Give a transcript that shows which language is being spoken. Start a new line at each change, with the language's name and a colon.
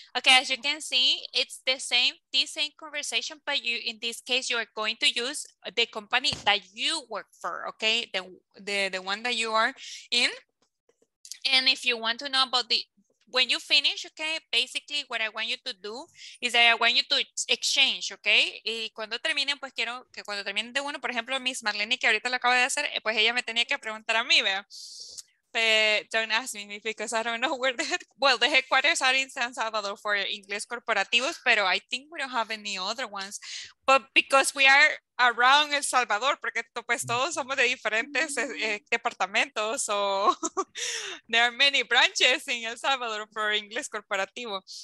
English: Okay, as you can see, it's the same conversation, but you in this case, you are going to use the company that you work for, okay? The one that you are in. And if you want to know about the when you finish, okay, basically what I want you to do is that I want you to exchange, okay?
Spanish: Y cuando terminen, pues quiero que cuando terminen de uno, por ejemplo, Miss Marlene, que ahorita lo acabo de hacer, pues ella me tenía que preguntar a mí, vea.
English: But don't ask me because I don't know where the well, the headquarters are in San Salvador for Inglés Corporativos, pero I think we don't have any other ones. But because we are around El Salvador,
Spanish: porque pues todos somos de diferentes departamentos,
English: so there are many branches in El Salvador for Inglés Corporativo.